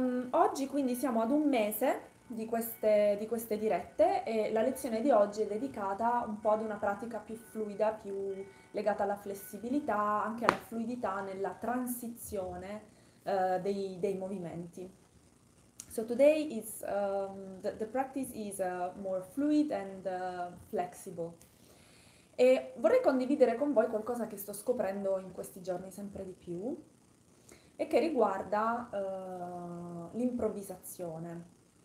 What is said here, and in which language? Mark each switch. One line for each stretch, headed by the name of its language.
Italian: Oggi quindi siamo ad un mese di queste dirette, e la lezione di oggi è dedicata un po' ad una pratica più fluida, più legata alla flessibilità, anche alla fluidità nella transizione dei movimenti.
English: So today is the practice is more fluid and flexible.
Italian: E vorrei condividere con voi qualcosa che sto scoprendo in questi giorni sempre di più e che riguarda l'improvvisazione.